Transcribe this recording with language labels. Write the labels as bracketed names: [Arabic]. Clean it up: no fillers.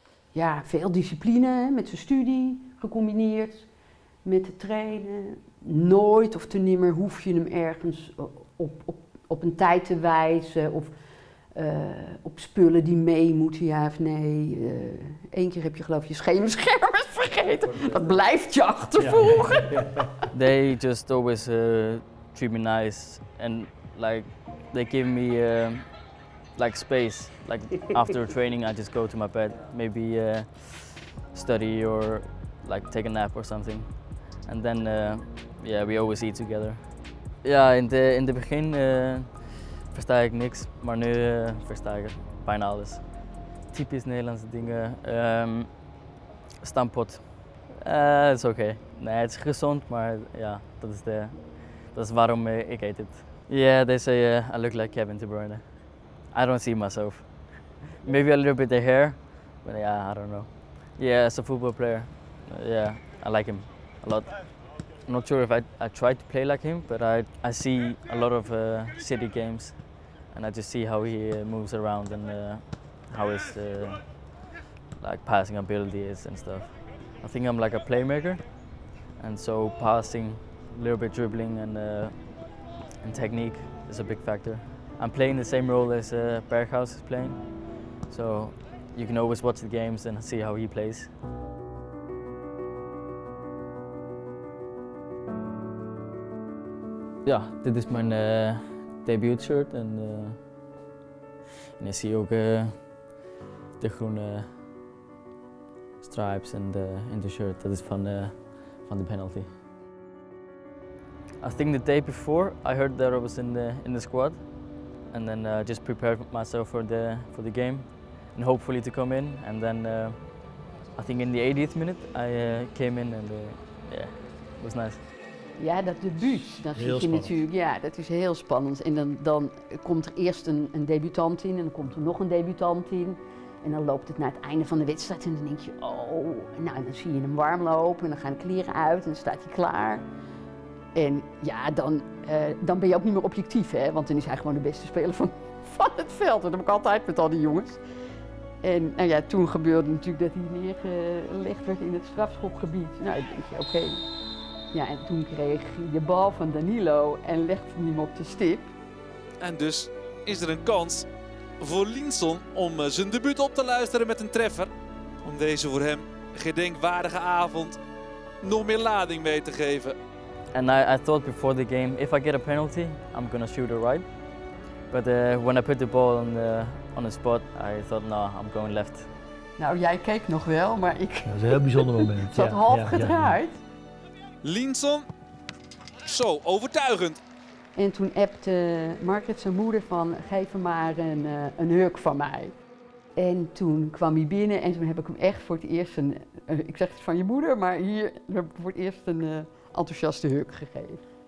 [Dutch] Ja, veel discipline met zijn studie gecombineerd met het trainen. Nooit of te nimmer hoef je hem ergens op een tijd te wijzen of op spullen die mee moeten, ja of nee. Eén keer heb je geloof je schermen vergeten. Dat blijft je achtervolgen. [English] Yeah. They just always treat me nice and like they give me like space. Like after training I just go to my bed, maybe study or like take a nap or something. And then yeah, we always eat together. [Dutch] Ja, in het begin versta ik niks, maar nu versta ik bijna alles. Typisch Nederlandse dingen. Stamppot. Dat is oké. Okay. Nee, het is gezond, maar ja, dat is waarom ik eet het. [English] Yeah, they say I look like Kevin de Bruyne. I don't see myself. Maybe a little bit of hair, but yeah, I don't know. Yeah, as a football player, yeah, I like him a lot. I'm not sure if I try to play like him, but I see a lot of City games, and I just see how he moves around and how his like passing ability is and stuff. I think I'm like a playmaker, and so passing, a little bit dribbling and technique is a big factor. I'm playing the same role as Berghuis is playing, so you can always watch the games and see how he plays. [Dutch] Ja, dit is mijn debut shirt en je ziet ook de groene stripes en de shirt. Dat is van de penalty. [English] I think the day before I heard that I was in the squad, and then just prepared myself for the game and hopefully to come in. And then I think in the 80th minute I came in and yeah, it was nice. [Dutch] Ja, dat debuut, dat vind je natuurlijk, ja, dat is heel spannend. En dan komt er eerst een debutant in en dan komt er nog een debutant in. En dan loopt het naar het einde van de wedstrijd en dan denk je, oh, nou, dan zie je hem warm lopen en dan gaan de kleren uit en dan staat hij klaar. En ja, dan ben je ook niet meer objectief, hè, want dan is hij gewoon de beste speler van het veld. Dat heb ik altijd met al die jongens. En nou ja, toen gebeurde natuurlijk dat hij neergelegd werd in het strafschopgebied. Nou, dan denk je, oké. Okay. Ja, en toen kreeg je de bal van Danilo en legde hem op de stip. En dus is er een kans voor Hlynsson om zijn debuut op te luisteren met een treffer. Om deze voor hem gedenkwaardige avond nog meer lading mee te geven. [English] And I thought before the game, if I get a penalty, I'm gonna shoot it right. But when I put the ball on the spot, I thought, no, I'm going left. [Dutch] Nou, jij keek nog wel, maar ik... Dat is een heel bijzonder moment. Zat half gedraaid. Ja. Hlynsson, zo overtuigend. En toen appte Margaret zijn moeder van, geef hem maar een hurk van mij. En toen kwam hij binnen en toen heb ik hem echt voor het eerst ik zeg het van je moeder, maar hier heb ik voor het eerst een enthousiaste hurk gegeven.